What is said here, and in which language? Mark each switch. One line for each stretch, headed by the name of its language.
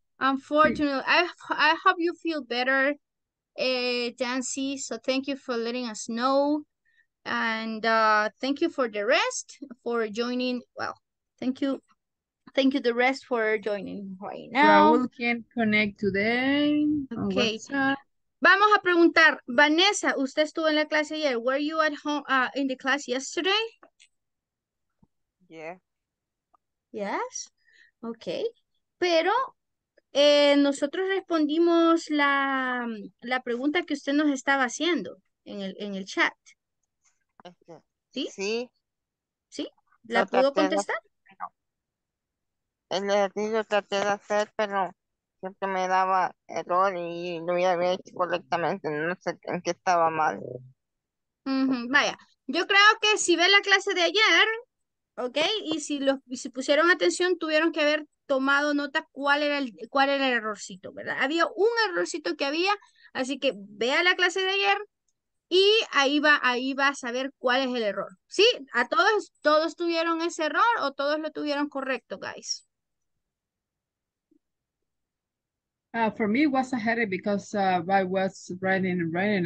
English: Unfortunately, I hope you feel better, Jancy. So thank you for letting us know. And thank you for the rest for joining. Well, thank you. Thank you the rest for joining right now. Raul can't connect today. Okay.
Spanish: Vamos a preguntar, Vanessa, usted estuvo en la clase ayer.
English: Were you at home in the class yesterday? Yeah. Yes. Okay.
Spanish: Pero... nosotros respondimos la pregunta que usted nos estaba haciendo en el chat. ¿Sí? Sí. ¿Sí? ¿La pudo contestar? El ejercicio traté de hacer, pero siempre me daba error y lo había hecho correctamente. No sé en qué estaba mal. Vaya. Yo creo que si ve la clase de ayer, ¿Ok? Y si los si pusieron atención, tuvieron que haber tomado nota cuál era el errorcito, ¿verdad? Había un errorcito que había, así que vea la clase de ayer y ahí va a saber cuál es el error. ¿Sí? ¿A todos, todos tuvieron ese error o todos lo tuvieron correcto, guys?
English: For me, it was a headache because I was writing and writing.